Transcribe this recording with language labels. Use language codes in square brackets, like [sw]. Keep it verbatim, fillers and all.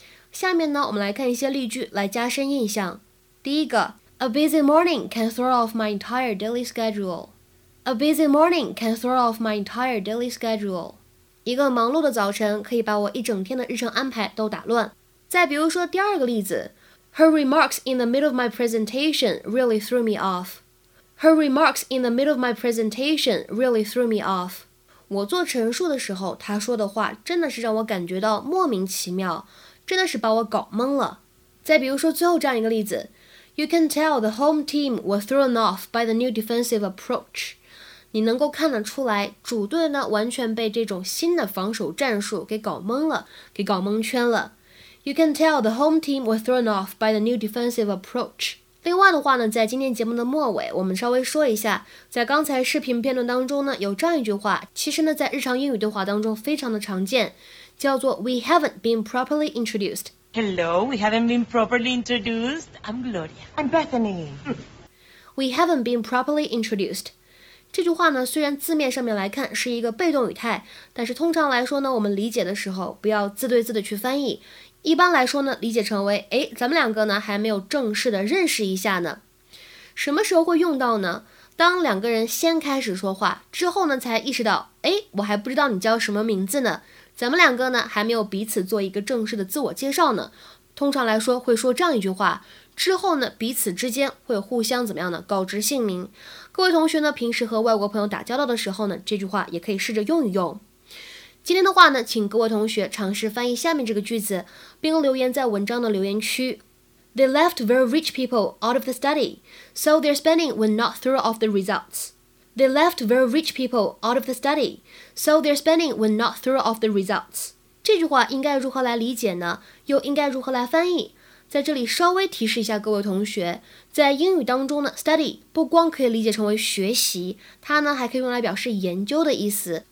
[zh] 下面呢我们来看一些例句来加深印象。第一个 [en] A busy morning can throw off my entire daily schedule. A busy morning can throw off my entire daily schedule. [zh] 一个忙碌的早晨可以把我一整天的日程安排都打乱。再比如说第二个例子 [en] Her remarks in the middle of my presentation really threw me off. Her remarks in the middle of my presentation really threw me off. [zh] 我做陈述的时候，她说的话真的是让我感觉到莫名其妙，真的是把我搞懵了。再比如说最后这样一个例子 [en] You can tell the home team was thrown off by the new defensive approach. [zh] 你能够看得出来，主队呢完全被这种新的防守战术给搞懵了，给搞蒙圈了。 [en] You can tell the home team was thrown off by the new defensive approach. [zh] 另外的话呢，在今天节目的末尾，我们稍微说一下，在刚才视频片段当中呢，有这样一句话，其实呢，在日常英语对话当中非常的常见，叫做 [en] We haven't been properly introduced. Hello, we haven't been properly introduced. I'm Gloria. I'm Bethany. We haven't been properly introduced. [zh] 这句话呢，虽然字面上面来看是一个被动语态，但是通常来说呢，我们理解的时候不要字对字的去翻译。一般来说呢，理解成为，哎，咱们两个呢还没有正式的认识一下呢。什么时候会用到呢？当两个人先开始说话之后呢，才意识到，哎，我还不知道你叫什么名字呢，咱们两个呢还没有彼此做一个正式的自我介绍呢。通常来说会说这样一句话，之后呢彼此之间会互相怎么样呢，告知姓名。各位同学呢，平时和外国朋友打交道的时候呢，这句话也可以试着用一用。今天的话呢，请各位同学尝试翻译下面这个句子，并留言在文章的留言区。 [en] They left very rich people out of the study, so their spending will not throw off the results. They left very rich people out of the study, so their spending will not throw off the results. [zh] 这句话应该如何来理解呢？又应该如何来翻译？在这里稍微提示一下各位同学，在英语当中呢 ，study 不光可以理解成为学习，它呢还可以用来表示研究的意思。